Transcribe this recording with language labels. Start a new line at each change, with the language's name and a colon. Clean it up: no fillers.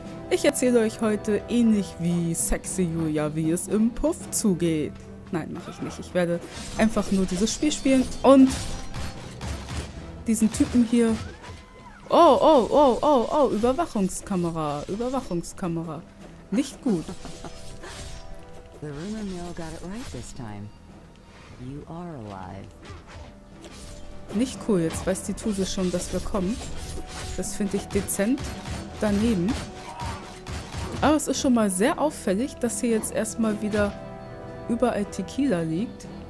German: Ich erzähle euch heute ähnlich wie Sexy Julia, wie es im Puff zugeht. Nein, mache ich nicht. Ich werde einfach nur dieses Spiel spielen und diesen Typen hier... Oh, Überwachungskamera, Überwachungskamera. Nicht gut.
English: The rumor mill got it right this time. You are alive.
German: Nicht cool, jetzt weiß die Tuse schon, dass wir kommen. Das finde ich dezent daneben. Aber es ist schon mal sehr auffällig, dass hier jetzt erstmal wieder überall Tequila liegt.